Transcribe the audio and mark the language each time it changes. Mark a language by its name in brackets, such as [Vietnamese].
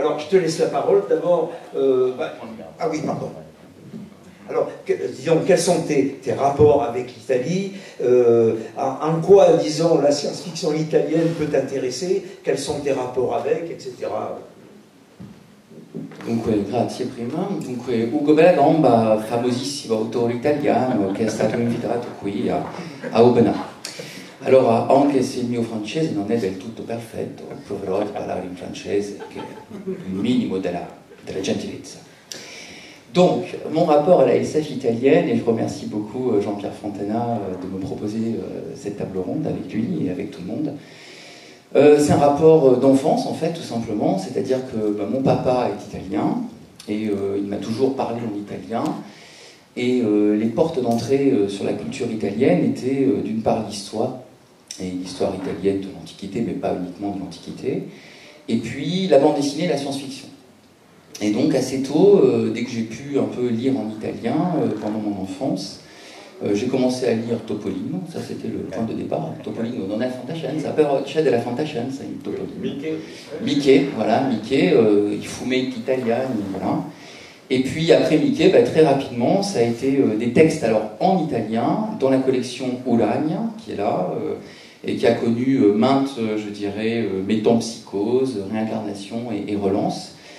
[French] Alors, je te laisse la parole. D'abord, Alors, quels sont tes rapports avec l'Italie? En quoi, disons, la science-fiction italienne peut t'intéresser? Quels sont tes rapports avec, etc. [Italian] Dunque, grazie prima. Dunque, Ugo Belagamba, famosissimo autore italiano, che è stato invitato qui a Aubena. Allora, anche se il mio francese non è del tutto perfetto, proverò a parlare in francese, che è il minimo della gentilezza. [French] Donc, mon rapport à la SF italienne, et je remercie beaucoup Jean-Pierre Fontana de me proposer cette table ronde avec lui et avec tout le monde. C'est un rapport d'enfance, en fait, tout simplement. C'est-à-dire que mon papa est italien, et il m'a toujours parlé en italien. Et les portes d'entrée sur la culture italienne étaient, d'une part, l'histoire, et l'histoire italienne de l'Antiquité, mais pas uniquement de l'Antiquité. Et puis, la bande dessinée et la science-fiction. Et donc, assez tôt, dès que j'ai pu un peu lire en italien pendant mon enfance, j'ai commencé à lire Topolino, ça c'était le point de départ. [Italian] Topolino, non è fantascienza, però c'è della fantascienza in Topolino. [French] Mickey, [Italian] il fumetto italiano, voilà. [French] Et puis après Mickey, bah, très rapidement, ça a été des textes alors en italien, dans la collection Ulagne, qui est là, et qui a connu maintes, je dirais, métempsychoses, réincarnations et relances.